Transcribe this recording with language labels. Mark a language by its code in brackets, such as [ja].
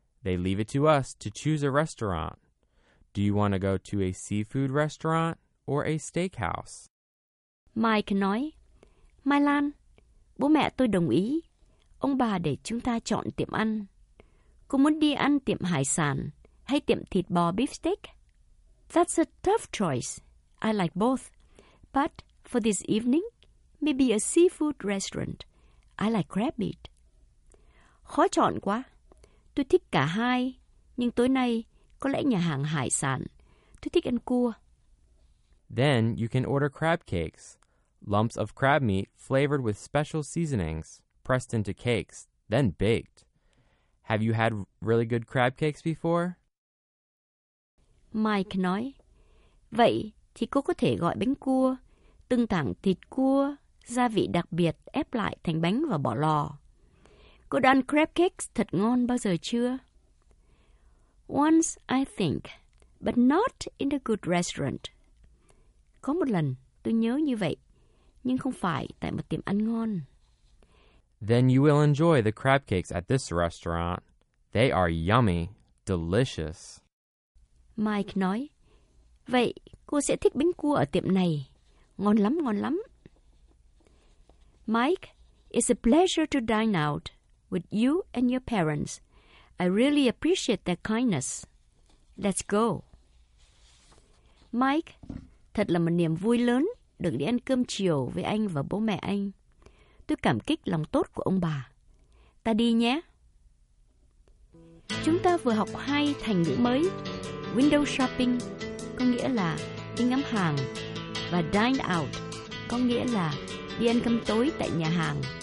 [en] They leave it to us to choose a restaurant. Do you want to go to a seafood restaurant or a steakhouse? [vi] Mike nói, Mai Lan, bố mẹ tôi đồng ý. Ông bà để chúng ta chọn tiệm ăn. Cô muốn đi ăn tiệm hải sản hay tiệm thịt bò beefsteak? [en] That's a tough choice. I like both. But for this evening, maybe a seafood restaurant. I like crab meat. [vi] Khó chọn quá. Tôi thích cả hai, nhưng tối nay có lẽ nhà hàng hải sản. Tôi thích ăn cua. [en] Then you can order crab cakes. Lumps of crab meat flavored with special seasonings, pressed into cakes, then baked. Have you had really good crab cakes before? [vi] Mike nói, vậy thì cô có thể gọi bánh cua, từng tảng thịt cua, gia vị đặc biệt ép lại thành bánh và bỏ lò. Cô đã ăn crab cakes thật ngon bao giờ chưa? [en] Once, I think, but not in a good restaurant. [vi] Có một lần, tôi nhớ như vậy, nhưng không phải tại một tiệm ăn ngon. [en] Then you will enjoy the crab cakes at this restaurant. They are yummy, delicious. [vi] Mike nói, vậy cô sẽ thích bánh cua ở tiệm này. Ngon lắm, ngon lắm. [en] Mike, it's a pleasure to dine out with you and your parents. I really appreciate their kindness. Let's go. [vi] Mike, thật là một niềm vui lớn được đi ăn cơm chiều với anh và bố mẹ anh. Tôi cảm kích lòng tốt của ông bà. Ta đi nhé. Chúng ta vừa học hai thành ngữ mới. Window shopping có nghĩa là đi ngắm hàng, và dine out có nghĩa là đi ăn cơm tối tại nhà hàng.